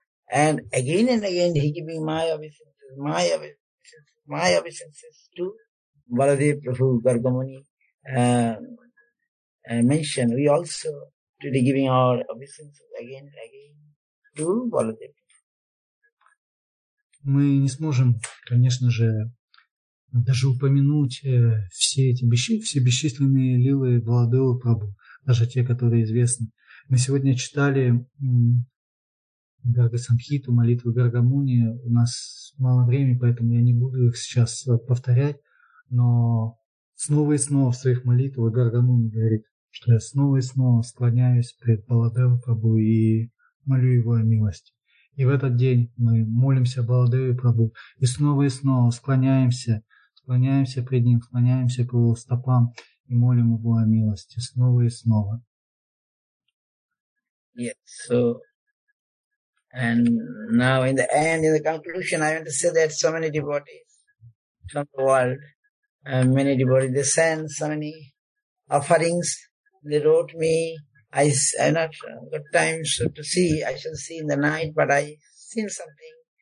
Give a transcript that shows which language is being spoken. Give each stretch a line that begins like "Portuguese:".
English: And again he giving my obeisances to Baladev Prabhu Gargamuni. And mention we also today giving our obeisances again and again.
Russian: Мы не сможем, конечно же, даже упомянуть все бесчисленные лилы Баладева Прабху, даже те, которые известны. Мы сегодня читали Гарга Самхиту, молитву Гаргамуни. У нас мало времени, поэтому я не буду их сейчас повторять, но снова и снова в своих молитвах Гаргамуни говорит, что я снова и снова склоняюсь перед Баладева Прабху и молю его о милости. И в этот день мы молимся Баладеве Прабху и снова склоняемся пред ним, склоняемся к его стопам и молим его о милости снова и снова.
English: Yes, so and now in the end, in the conclusion, I want to say that so many devotees from the world, many devotees, they send so many offerings, they wrote me. I not got time to see. I shall see in the night, but I seen something.